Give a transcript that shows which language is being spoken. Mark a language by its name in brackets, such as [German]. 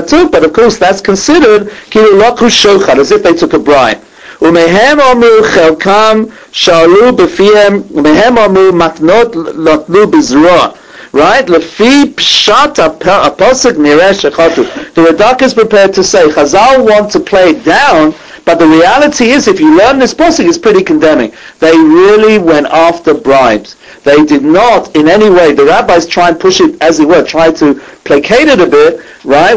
[English] But of course that's considered as if they took a bribe. [Hebrew] ומהם אמרו חלקם שאלו בפיהם, ומהם אמרו מתנות נתנו בזרוע. [English] Right? [Hebrew] לפי פשט הפוסק נראה שחטו. [English] The Radak is prepared to say, Chazal want to play it down, but the reality is, if you learn this pasuk, it's pretty condemning. They really went after bribes. They did not, in any way, the rabbis try and push it, as it were, try to placate it a bit, right?